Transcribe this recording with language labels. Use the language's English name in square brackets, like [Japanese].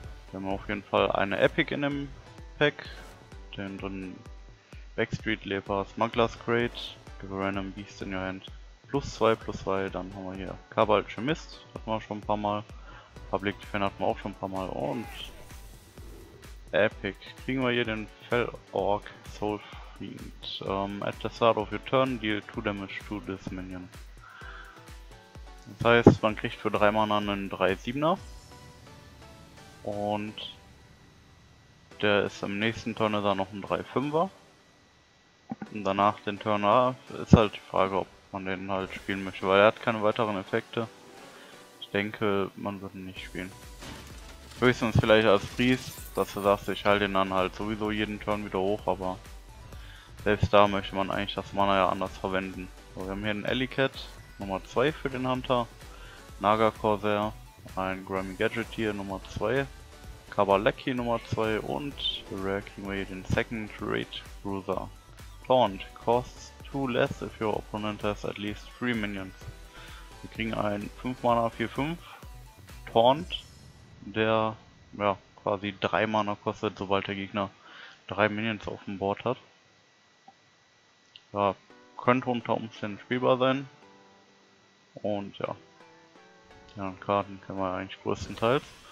[German] Wir haben auf jeden Fall eine Epic in dem Pack. Den dann Backstreet Leper Smuggler's Crate. [English] Give a random Beast in your hand. [German] +2/+2, dann haben wir hier Kabal Chemist, hatten wir schon ein paar Mal. Public Defender hatten wir auch schon ein paar Mal. Und Epic. Kriegen wir hier den Fell Orc Soul Fiend. [English] At the start of your turn, deal 2 damage to this minion. [German] Das heißt, man kriegt für 3 Mana einen 3-7er. Und der ist im nächsten Turn ist er noch ein 3-5er. Und danach den Turn A ist halt die Frage, ob man den halt spielen möchte, weil er hat keine weiteren Effekte. Ich denke, man wird ihn nicht spielen. Höchstens vielleicht als Priest, dass du sagst, ich halte den dann halt sowieso jeden Turn wieder hoch, aber selbst da möchte man eigentlich das Mana ja anders verwenden. So, wir haben hier einen Alicat, Nummer 2 für den Hunter, Naga Corsair, ein Grammy Gadget hier, Nummer 2, Kabalecki Nummer 2 und Rare kriegen wir hier den Second Rate Bruiser. [English] Taunt costs 2 less if your opponent has at least 3 minions. [German] Wir kriegen einen 5 Mana 4-5 Taunt, der ja quasi 3 Mana kostet, sobald der Gegner 3 Minions auf dem Board hat. Ja, könnte unter Umständen spielbar sein. Und ja, die Karten kennen wir eigentlich größtenteils.